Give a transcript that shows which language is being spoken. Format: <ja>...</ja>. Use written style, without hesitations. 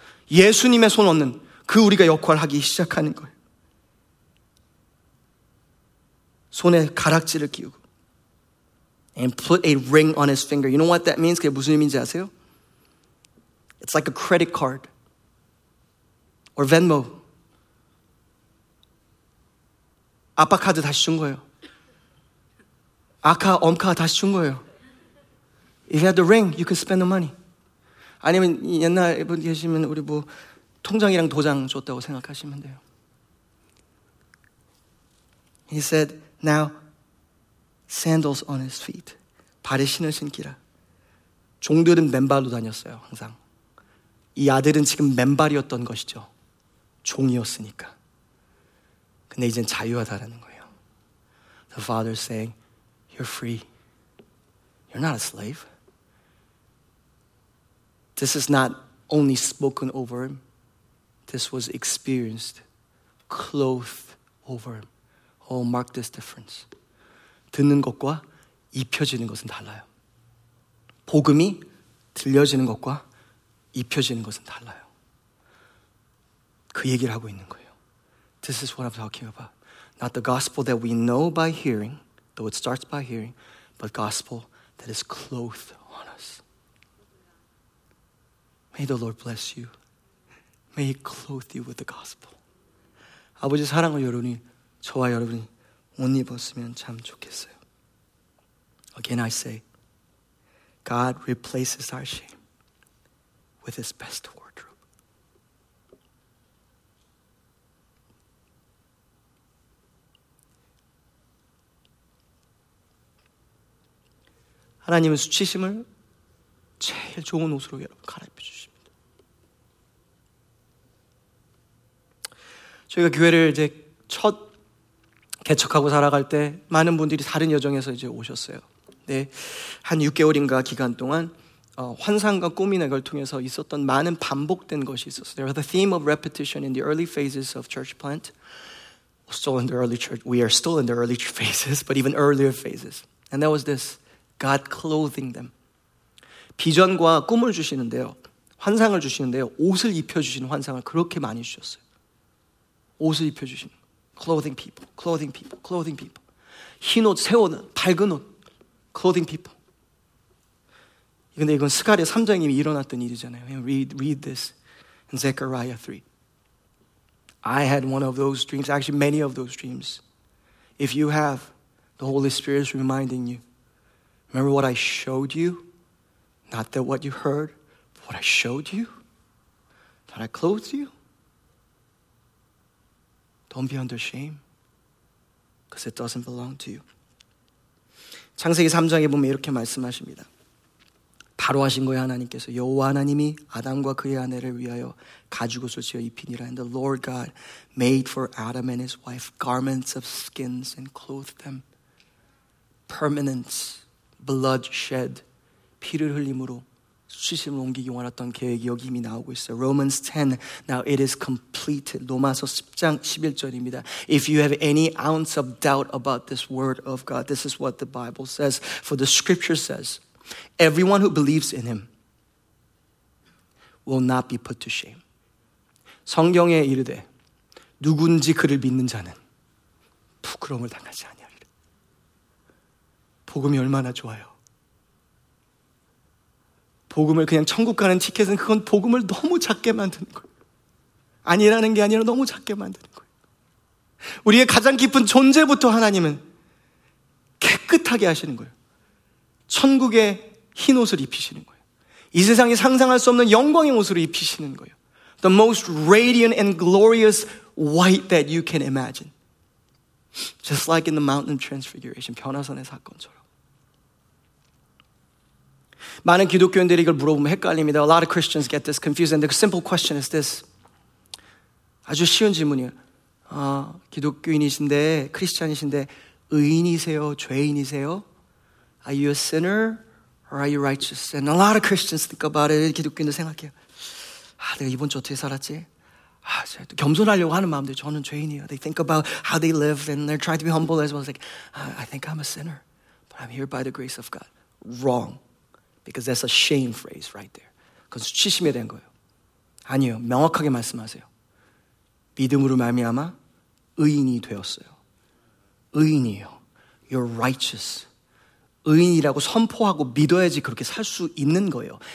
<ko>예수님의 손 얹는 그 우리가 역할을 하기 시작하는 거예요. 손에 가락지를 끼우고</ko> <en>And put a ring on his finger. You know what that means?</en> <ko>그게 무슨 의미인지 아세요?</ko> <en>It's like a credit card. Or Venmo.</en> <ko>아빠 카드 다시 준 거예요. 아까 엄카 다시 준 거예요.</ko> <en>If you had the ring, you could spend the money.</en> <ko>아니면 옛날에 분 계시면 우리 뭐 통장이랑 도장 줬다고 생각하시면 돼요.</ko> <en>He said, now, sandals on his feet.</en> <ko>발에 신을 신기라. 종들은 맨발로 다녔어요, 항상. 이 아들은 지금 맨발이었던 것이죠. 종이었으니까. 근데 이젠 자유하다라는 거예요.</ko> <en>The father saying, you're free. You're not a slave. This is not only spoken over him. This was experienced, clothed over him. Oh, mark this difference.</en> <ko>듣는 것과 입혀지는 것은 달라요. 복음이 들려지는 것과 입혀지는 것은 달라요. 그 얘기를 하고 있는 거예요.</ko> <en>This is what I'm talking about. Not the gospel that we know by hearing, though it starts by hearing, but gospel that is clothed on us. May the Lord bless you. May he clothe you with the gospel.</en> <ko>아버지 사랑을 여러분이 저와 여러분이 옷 입었으면 참 좋겠어요.</ko> <en>Again I say, God replaces our shame with his best wardrobe.</en> <ko>하나님은 수치심을 제일 좋은 옷으로 여러분 갈아입혀 주십니다. 저희가 교회를 이제 첫 개척하고 살아갈 때 많은 분들이 다른 여정에서 이제 오셨어요. 네, 한 6개월인가 기간 동안 환상과 꿈이나 이걸 통해서 있었던 많은 반복된 것이 있었어요.</ko> <en>There was a theme of repetition in the early phases of church plant. Still in the early church, we are still in the early phases, but even earlier phases. And that was this, God clothing them.</en> <ko>비전과 꿈을 주시는데요, 환상을 주시는데요, 옷을 입혀주시는 환상을 그렇게 많이 주셨어요. 옷을 입혀주시는,</ko> <en>clothing people, clothing people, clothing people.</en> <ko>흰 옷, 새 옷, 밝은 옷.</ko> <en>Clothing people.</en> <ko>근데 이건 스가랴 3장에 이미 일어났던 일이잖아요.</ko> <en>Read this in Zechariah 3. I had one of those dreams, actually many of those dreams. If you have, the Holy Spirit is reminding you. Remember what I showed you? Not that what you heard, but what I showed you? That I clothed you? Don't be under shame. Because it doesn't belong to you.</en> <ko>창세기 3장에 보면 이렇게 말씀하십니다. 바로 하신 거예요, 하나님께서. 여호와 하나님이 아담과 그의 아내를 위하여 가죽옷을 지어 입히니라.</ko> <en>And the Lord God made for Adam and his wife garments of skins and clothed them. Permanence, blood shed,</en> <ko>피를 흘림으로 수치심을 옮기기 원했던 계획이 여기 이미 나오고 있어요.</ko> <en>Romans 10, now it is completed.</en> <ko>로마서 10장 11절입니다.</ko> <en>If you have any ounce of doubt about this word of God, this is what the Bible says. For the scripture says, everyone who believes in him will not be put to shame.</en> <ko>성경에 이르되, 누군지 그를 믿는 자는 부끄러움을 당하지 아니하리라. 복음이 얼마나 좋아요. 복음을 그냥 천국 가는 티켓은 그건 복음을 너무 작게 만드는 거예요. 아니라는 게 아니라 너무 작게 만드는 거예요. 우리의 가장 깊은 존재부터 하나님은 깨끗하게 하시는 거예요. 천국에 흰 옷을 입히시는 거예요. 이 세상이 상상할 수 없는 영광의 옷으로 입히시는 거예요.</ko> <en>The most radiant and glorious white that you can imagine. Just like in the mountain of transfiguration,</en> <ko>변화산의 사건처럼. 많은 기독교인들이 이걸 물어보면 헷갈립니다.</ko> <en>A lot of Christians get this confused. And the simple question is this.</en> <ko>아주 쉬운 질문이에요. 기독교인이신데, 크리스찬이신데, 의인이세요? 죄인이세요?</ko> <en>Are you a sinner? Or are you righteous? And a lot of Christians think about it.</en> <ko>기독교인들 생각해요. 아, 내가 이번 주 어떻게 살았지? 아, 제가 또 겸손하려고 하는 마음도 저는 죄인이에요.</ko> <en>They think about how they live and they're trying to be humble as well. It's like, I think I'm a sinner. But I'm here by the grace of God. Wrong. Because that's a shame phrase right there.</en> <ko>그건 수치심에 대한 거예요. 아니요. 명확하게 말씀하세요. 믿음으로 말미암아 의인이 되었어요. 의인이에요.</ko> <en>You're righteous.</en> <ko>의인이라고 선포하고 믿어야지 그렇게 살 수 있는 거예요.</ko>